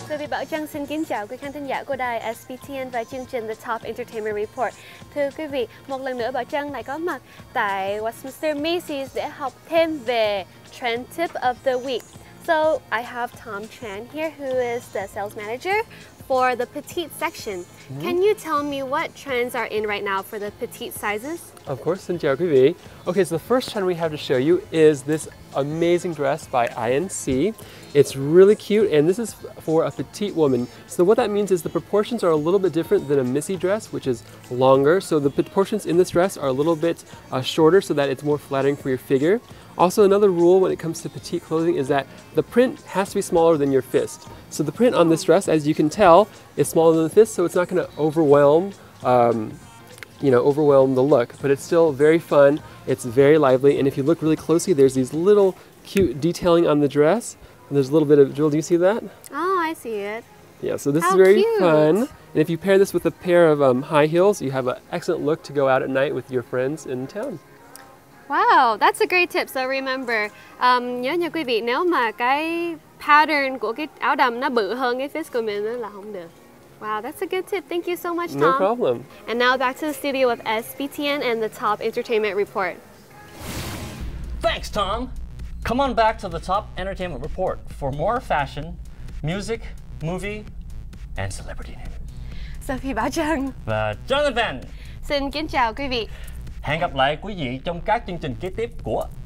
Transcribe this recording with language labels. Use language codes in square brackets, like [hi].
[vi] Bảo Trang xin kính chào quý khán thính giả của đài SBTN và chương trình The Top Entertainment Report. Thưa quý vị, một lần nữa Bảo Trang lại có mặt tại Westminster Macy's để học thêm về Trend Tip of the Week. [en] So, I have Tom Tran here, who is the sales manager for the petite section. Can you tell me what trends are in right now for the petite sizes? Of course, [vi] xin chào quý vị. [en] Okay, so the first trend we have to show you is this amazing dress by INC. It's really cute, and this is for a petite woman. So what that means is the proportions are a little bit different than a Missy dress, which is longer. So the proportions in this dress are a little bit shorter so that it's more flattering for your figure. Also, another rule when it comes to petite clothing is that the print has to be smaller than your fist. So the print on this dress, as you can tell, is smaller than the fist, so it's not going to overwhelm the look. But it's still very fun, it's very lively, and if you look really closely, there's these little cute detailing on the dress. And there's a little bit of jewel. Do you see that? Oh, I see it. Yeah, so this is very fun. And if you pair this with a pair of high heels, you have an excellent look to go out at night with your friends in town. Wow, that's a great tip. So remember, [vi] nhớ nha quý vị, nếu mà cái pattern của cái áo đầm nó bự hơn cái fist của mình là không được. [en] Wow, that's a good tip. Thank you so much, Tom. No problem. And now back to the studio with SBTN and the Top Entertainment Report. Thanks, Tom. Come on back to the Top Entertainment Report for more fashion, music, movie, and celebrity news. Sophie Ba Chang. [vi] Và Jonathan. Xin kính chào quý vị. Hẹn gặp lại quý vị trong các chương trình kế tiếp của